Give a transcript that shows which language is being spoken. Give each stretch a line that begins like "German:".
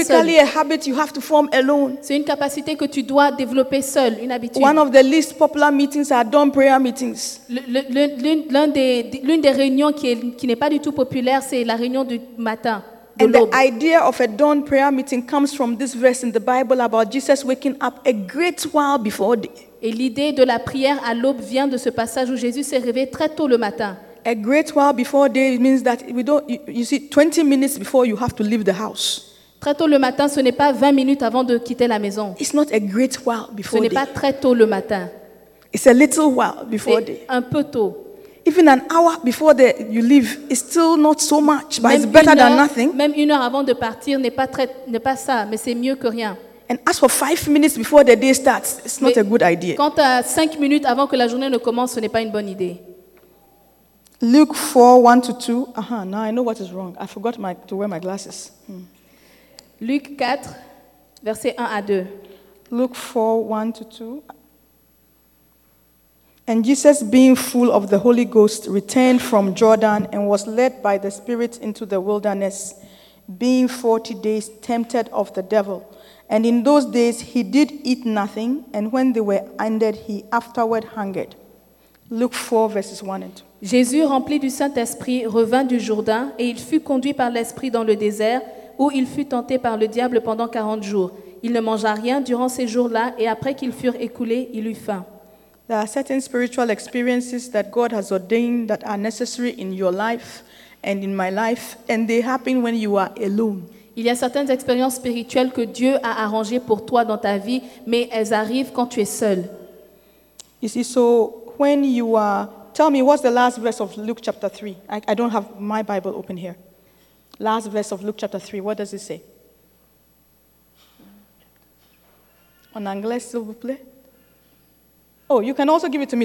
English: It's typically a habit you have to form alone.
French: C'est une capacité que tu dois développer seul, une habitude.
English: One of the least popular meetings are dawn prayer meetings.
French: L'une des réunions qui n'est pas du tout populaire, c'est la réunion du matin.
English: And the idea of a dawn prayer meeting comes from this verse in the Bible about Jesus waking up a great while before day.
French: Et l'idée de la prière à l'aube vient de ce passage où Jésus s'est réveillé très tôt le matin.
English: A great while before day means that you see 20 minutes before you have to leave the house.
French: Très tôt le matin, ce n'est pas 20 minutes avant de quitter la maison.
English: It's not a great while before day.
French: Ce n'est pas très tôt le matin.
English: It's a little while before day.
French: C'est un peu tôt.
English: Even an hour before you leave is still not so much, but it's better than nothing.
French: Même une heure avant de partir n'est pas ça, mais c'est mieux que rien.
English: And as for 5 minutes before the day starts, it's not a good idea.
French: Quant à 5 minutes avant que la journée ne commence, ce n'est pas une bonne idée.
English: Luke 4:1-2. Now I know what is wrong. I forgot to wear my glasses. Luke 4:1-2. Luke 4:1-2. And Jesus, being full of the Holy Ghost, returned from Jordan and was led by the Spirit into the wilderness, being 40 days tempted of the devil. And in those days he did eat nothing, and when they were ended, he afterward hungered. Luke 4, verses 1 and 2.
French: Jésus, rempli du Saint-Esprit, revint du Jourdain, et il fut conduit par l'Esprit dans le désert, où il fut tenté par le diable pendant 40 jours. Il ne mangea rien durant ces jours-là, et après qu'ils furent écoulés, il eut faim.
English: There are certain spiritual experiences that God has ordained that are necessary in your life and in my life, and they happen when you are alone.
French: Il y a certaines expériences spirituelles que Dieu a arrangées pour toi dans ta vie, mais elles arrivent quand tu es seul.
English: You see, so when you are... Tell me, what's the last verse of Luke chapter 3? I don't have my Bible open here. Last verse of Luke chapter 3, what does it say?
French: En anglais, s'il vous plaît.
English: Oh, you can also give it to me.